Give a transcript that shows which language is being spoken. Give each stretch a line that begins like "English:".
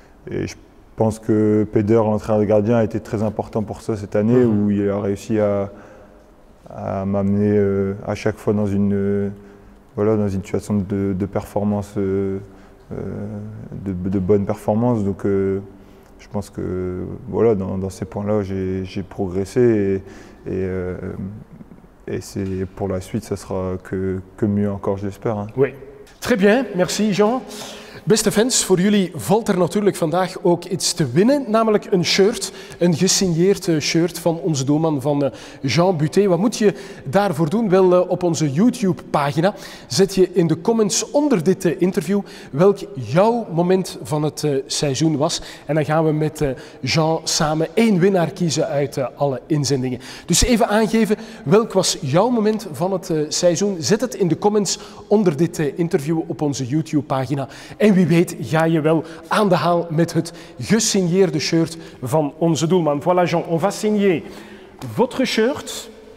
French: Et je pense que Peder, l'entraîneur de gardien, a été très important pour ça cette année où il a réussi à m'amener à chaque fois dans une situation de performance, de bonne performance. Donc, je pense que voilà, dans ces points-là, j'ai progressé et c'est pour la suite, ça sera que mieux encore, j'espère. Hein. Oui. Très bien, merci Jean.
Dutch: Beste fans, voor jullie valt er natuurlijk vandaag ook iets te winnen, namelijk een shirt, een gesigneerd shirt van onze doelman van Jean Buté. Wat moet je daarvoor doen? Wel, op onze YouTube-pagina zet je in de comments onder dit interview welk jouw moment van het seizoen was. En dan gaan we met Jean samen één winnaar kiezen uit alle inzendingen. Dus even aangeven, welk was jouw moment van het seizoen? Zet het in de comments onder dit interview op onze YouTube-pagina. En wie weet ga je wel aan de haal met het gesigneerde shirt van onze doelman.
French: Voilà Jean, on va signer votre shirt.